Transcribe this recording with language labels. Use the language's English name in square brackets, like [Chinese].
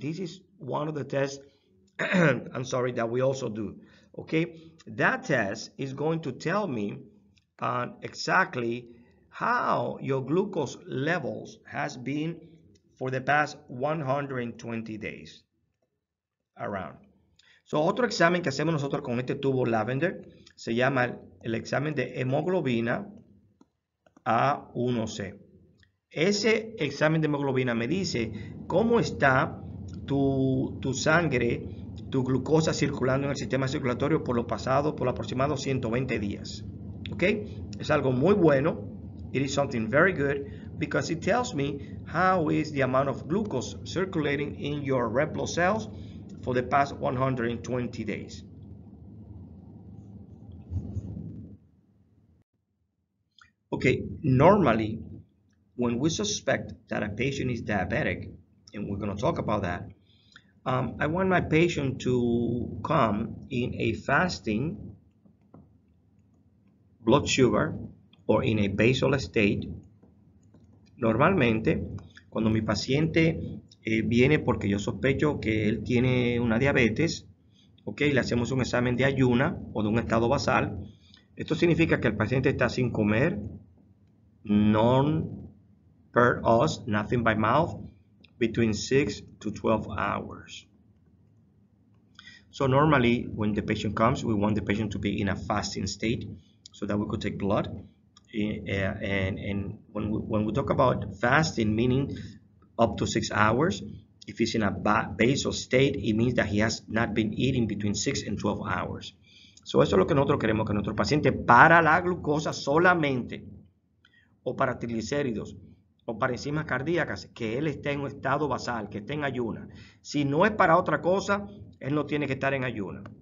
[English] This is one of the tests, that we also do. Okay, that test is going to tell me exactly how your glucose levels has been for the past 120 days around. [Spanish] So, otro examen que hacemos nosotros con este tubo Lavender se llama el examen de hemoglobina A1C. Ese examen de hemoglobina me dice cómo está tu sangre, tu glucosa circulando en el sistema circulatorio por lo pasado, por aproximadamente 120 días. ¿Ok? Es algo muy bueno. [English] It is something very good because it tells me how is the amount of glucose circulating in your red blood cells for the past 120 days. Okay, normally, when we suspect that a patient is diabetic, and we're going to talk about that, I want my patient to come in a fasting blood sugar or in a basal state. [Spanish] Normalmente, cuando mi paciente viene porque yo sospecho que él tiene una diabetes, okay, le hacemos un examen de ayuna o de un estado basal. Esto significa que el paciente está sin comer, [Latin] non per os, [English] nothing by mouth, [Spanish] between 6 to 12 hours. [English] So normally, when the patient comes, we want the patient to be in a fasting state so that we could take blood. And when we talk about fasting, meaning up to 6 hours, if he's in a basal state, it means that he has not been eating between 6 and 12 hours. [Spanish] So eso es lo que nosotros queremos, que nuestro paciente para la glucosa solamente, o para triglicéridos, o para enzimas cardíacas, que él esté en un estado basal, que esté en ayuna. Si no es para otra cosa, él no tiene que estar en ayuna.